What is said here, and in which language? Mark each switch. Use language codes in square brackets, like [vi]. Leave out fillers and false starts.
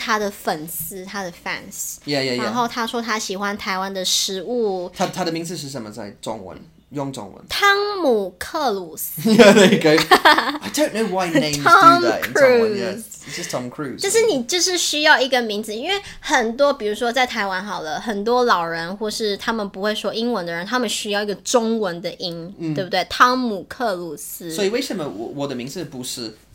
[zh] 很多次，对啊，很多次来台湾，然后大家都是他的粉丝，他的fans。 [en] Yeah, yeah, yeah. [zh] 然后他说他喜欢台湾的食物。他的名字是什么在中文？用中文。汤姆克鲁斯。 [en] Yeah, there you go. I don't know why names do that in Taiwan. Tom Cruise. Yeah, it's just Tom Cruise. [zh] 就是你就是需要一个名字，因为很多，比如说在台湾好了，很多老人或是他们不会说英文的人，他们需要一个中文的音，对不对？汤姆克鲁斯。所以为什么我的名字不是？